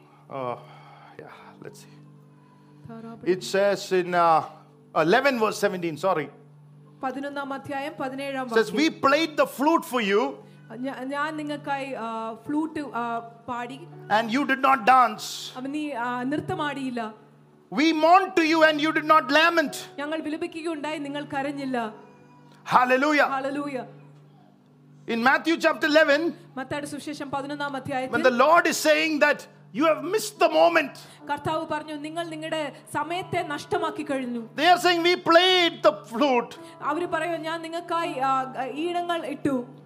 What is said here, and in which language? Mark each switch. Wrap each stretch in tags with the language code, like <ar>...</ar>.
<en>Oh, yeah, let's see. It says in 11 verse 17, sorry.</en> <ml>11th adhyayam 17th vakyam.</ml> <en>Says we played the flute for you.</en> <ml>ഞാൻ നിങ്ങൾക്കായി flute പാടി.</ml> <en>And you did not dance.</en> <ml>അവൻ നീ നൃത്തമാടിയില്ല.</ml> <en>We mourned to you and you did not lament.</en> <ml>ഞങ്ങൾ വിലപിക്കുകയുണ്ടായി നിങ്ങൾ കരഞ്ഞില്ല.</ml> <en>Hallelujah. Hallelujah. In Matthew chapter 11.</en> <ml>മത്തായിയുടെ സുവിശേഷം 11th അധ്യായത്തിൽ.</ml> <en>When the Lord is saying that you have missed the moment.</en> <ml>കർത്താവ് പറഞ്ഞു നിങ്ങൾ നിങ്ങളുടെ സമയത്തെ നഷ്ടമാക്കി കഴിഞ്ഞു.</ml> <en>They are saying we played the flute.</en> <ml>അവർ പറയുന്നു ഞാൻ നിങ്ങൾക്കായി ഈണങ്ങൾ ഇട്ടു.</ml>